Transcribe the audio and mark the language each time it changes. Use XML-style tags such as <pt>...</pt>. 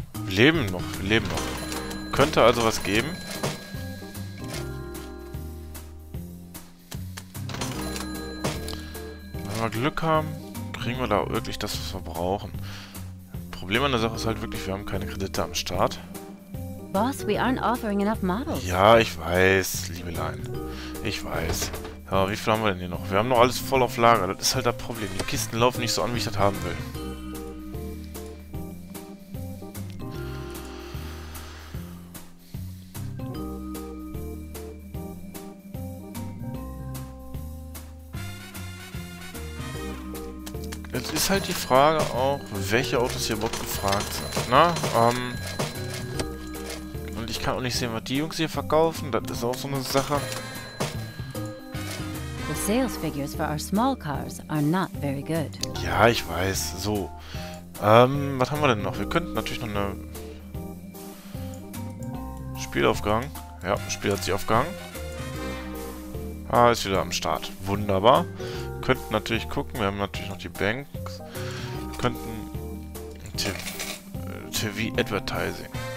<de>Wir leben noch, wir leben noch. Könnte also was geben. Wenn wir Glück haben, kriegen wir da wirklich das, was wir brauchen. Problem an der Sache ist halt wirklich, wir haben keine Kredite am Start.</de> <en>Boss, we aren't offering enough models.</en> <de>Ja, ich weiß, Liebelein. Ich weiß. Aber wie viel haben wir denn hier noch? Wir haben noch alles voll auf Lager. Das ist halt das Problem. Die Kisten laufen nicht so an, wie ich das haben will. Ist halt die Frage auch, welche Autos hier überhaupt gefragt sind, ne? Und ich kann auch nicht sehen, was die Jungs hier verkaufen. Das ist auch so eine Sache.</de> <en>The sales figures for our small cars are not very good.</en> <de>Ja, ich weiß. So. Was haben wir denn noch? Wir könnten natürlich noch eine Spielaufgang. Ja, Spiel hat sich aufgehangen. Ah, ist wieder am Start. Wunderbar. Wir könnten natürlich gucken, wir haben natürlich noch die Banks. Wir könnten TV Advertising.</de>